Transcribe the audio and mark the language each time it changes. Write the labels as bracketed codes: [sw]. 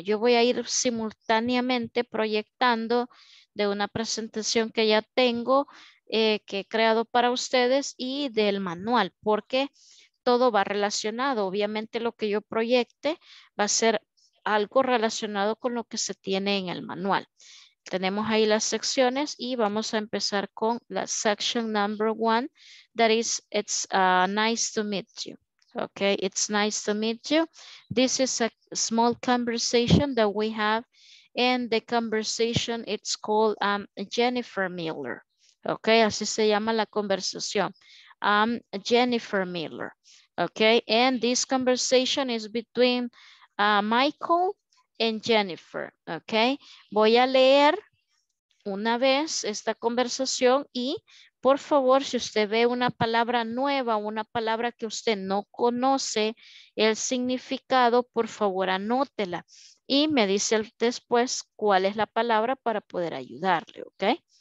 [es] Yo voy a ir simultáneamente proyectando de una presentación que ya tengo, que he creado para ustedes, y del manual, porque todo va relacionado. Obviamente lo que yo proyecte va a ser algo relacionado con lo que se tiene en el manual. Tenemos ahí las secciones y vamos a empezar con la [en] section number one. That is, it's nice to meet you. Okay, it's nice to meet you. This is a small conversation that we have, and the conversation it's called Jennifer Miller. [es] Okay, así se llama la conversación. Jennifer Miller. [en] Okay, and this conversation is between Michael and Jennifer. [es] Okay, voy a leer una vez esta conversación y por favor, si usted ve una palabra nueva, una palabra que usted no conoce el significado, por favor anótela y me dice después cuál es la palabra para poder ayudarle, ¿ok?